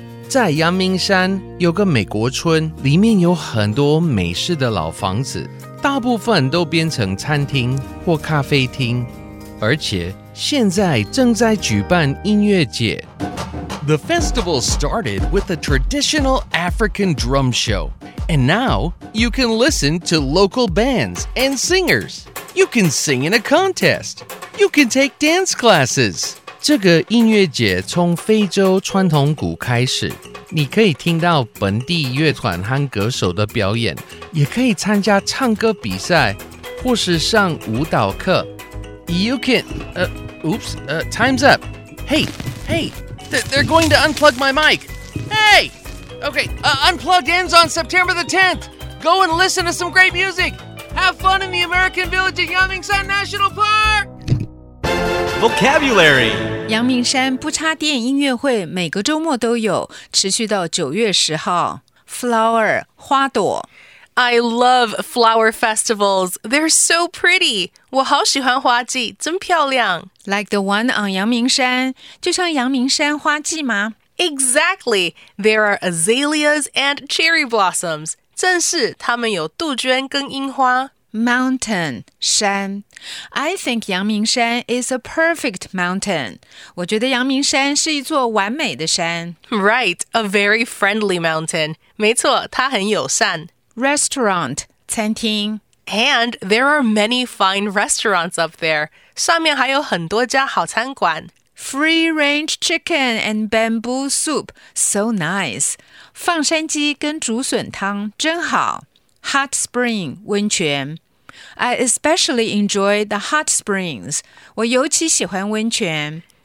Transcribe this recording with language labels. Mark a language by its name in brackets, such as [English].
[Chinese] 在阳明山有个美国村，里面有很多美式的老房子，大部分都变成餐厅或咖啡厅，而且现在正在举办音乐节。 [English] The festival started with a traditional African drum show, and now you can listen to local bands and singers. You can sing in a contest. You can take dance classes. [Chinese] 这个音乐节从非洲传统鼓开始，你可以听到本地乐团和歌手的表演，也可以参加唱歌比赛，或是上舞蹈课。 [English] You can, time's up. Hey, they're going to unplug my mic. Hey, okay, Unplugged ends on September the 10th. Go and listen to some great music. Have fun in the American Village at Yangmingshan National Park. Vocabulary. [Chinese] 阳明山不插电音乐会每个周末都有，持续到九月十号。 [English] Flower, 花朵。 I love flower festivals. They're so pretty. [Chinese] 我好喜欢花季，真漂亮。 [English] Like the one on [Chinese] 阳明山，就像阳明山花季吗？ [English] Exactly. There are azaleas and cherry blossoms. [Chinese] 正是，它们有杜鹃跟樱花。 [English] Mountain, 山。I think 阳明山 is a perfect mountain. [Chinese] 我觉得阳明山是一座完美的山。 [English] Right, a very friendly mountain. [Chinese] 没错，它很友善。 [English] Restaurant, 餐厅。 And there are many fine restaurants up there. [Chinese] 上面还有很多家好餐馆。 [English] Free-range chicken and bamboo soup, so nice. [Chinese] 放山鸡跟竹笋汤真好。Hot spring, 温泉。 [English] I especially enjoy the hot springs. [Chinese] 我尤其喜欢温泉。